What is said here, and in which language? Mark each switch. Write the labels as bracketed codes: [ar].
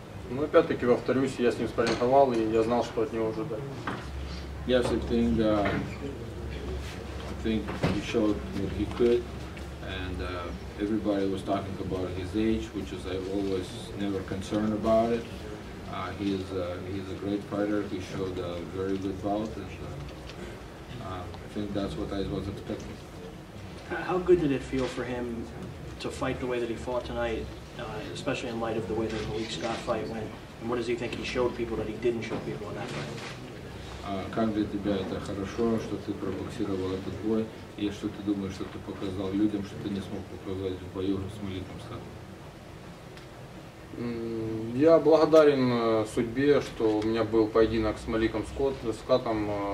[ru] Но опять-таки, повторюсь, я с ним спарринговал, и я знал, что от него ожидать. [en] Yes, I think he showed what he could. And everybody was talking about his age, which is I always never concerned about it. He's a great fighter. He showed a very good bout, and I think that's what I was expecting. How good did it feel for him to fight the way that he fought tonight, especially in light of the way that the Malik Scott fight went? And what does he think he showed people that he didn't show people in that fight? [ru] Как для тебя это хорошо, что ты пробоксировал этот бой, и что ты думаешь, что ты показал людям, что ты не смог показать в бою с Маликом Скаттом? Я благодарен судьбе, что у меня был поединок с Маликом Скаттом.